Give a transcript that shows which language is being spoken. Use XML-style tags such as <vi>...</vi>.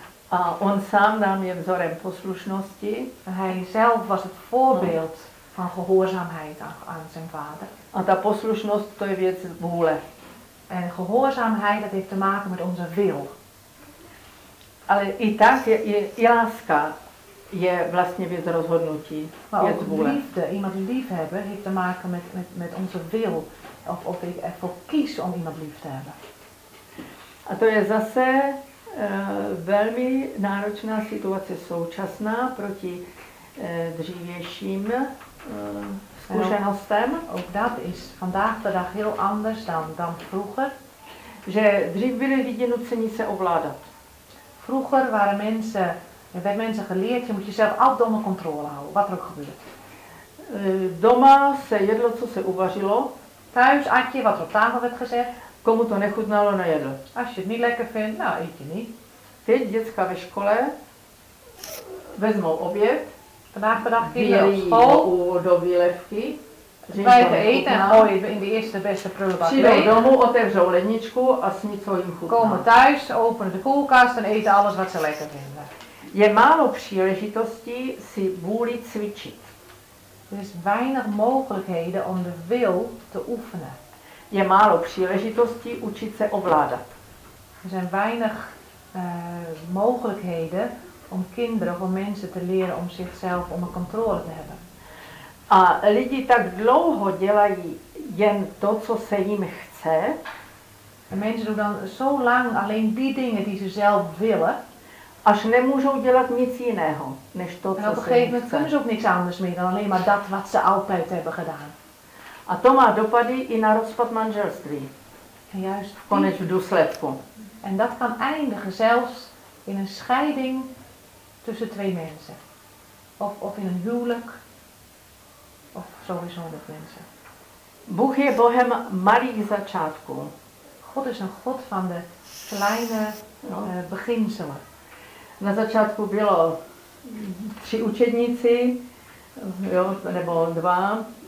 <cs>A on sám nám je vzorem poslušnosti.</cs> <nl>Hij zelf was het voorbeeld van gehoorzaamheid aan zijn vader.</nl> <cs>A ta poslušnost, to je věc vůle.</cs> <nl>En gehoorzaamheid, dat heeft te maken met onze wil.</nl> <cs>Ale i tak je láska je vlastně věc rozhodnutí, věc vůle.</cs> <nl>Liefde, iemand liefhebben, heeft te maken met onze wil. Of ik ervoor kies om iemand lief te hebben.</nl> <cs>A to je zase velmi náročná situace současná proti dřívějším zkušenostem.</cs> <nl>Ook dat is vandaag de dag heel anders dan vroeger.</nl> <cs>Že dřív byli lidi nuceni se ovládat.</cs> <nl>Vroeger werd mensen geleerd, je moet jezelf altijd onder controle houden, wat er ook gebeurt.</nl> <cs>Doma se jedlo, co se uvařilo.</cs> <nl>Thuis at je wat op tafel werd gezegd.</nl> <cs>Komu to nechutnalo, nejedl.</cs> <nl>Als je het niet lekker vindt, nou eet je niet.</nl> <cs>Teď děcka ve škole vezmou oběd.</cs> <nl>Vandaag de dag kinderen op school.</nl> <cs>Do výlevky.</cs> <nl>Krijgen eten en gooien in de eerste beste prullenbak.</nl> <cs>Přijdou domů, otevřou ledničku a sní, co jim chutná.</cs> <nl>Komen thuis, openen de koelkast en eten alles wat ze lekker vinden.</nl> <cs>Je málo příležitostí si vůli cvičit.</cs> <nl>Er is weinig mogelijkheden om de wil te oefenen.</nl> <cs>Je málo příležitostí učit se ovládat.</cs> <nl>Er zijn weinig mogelijkheden om kinderen of mensen te leren om zichzelf onder controle te hebben.</nl> <cs>A lidi tak dlouho dělají jen to, co se jim chce.</cs> <nl>En mensen doen dan zo lang alleen die dingen die ze zelf willen.</nl> <cs>Až nemůžou dělat nic jiného, než to, co se jim chce.</cs> <nl>En op een gegeven moment kunnen ze ook niks anders meer dan alleen maar dat wat ze altijd hebben gedaan.</nl> <cs>A to má dopady i na rozpad manželství.</cs> <nl>Juist.</nl> <cs>Konec v důsledku.</cs> <nl>En dat kan eindigen zelfs in een scheiding tussen twee mensen. Of in een huwelijk. Of sowieso met mensen.</nl> <cs>Bůh je Bohem malých začátků.</cs> <nl>God is een God van de kleine beginselen.</nl> <cs>Na začátku bylo tři učedníci, jo, nebo dva.</cs>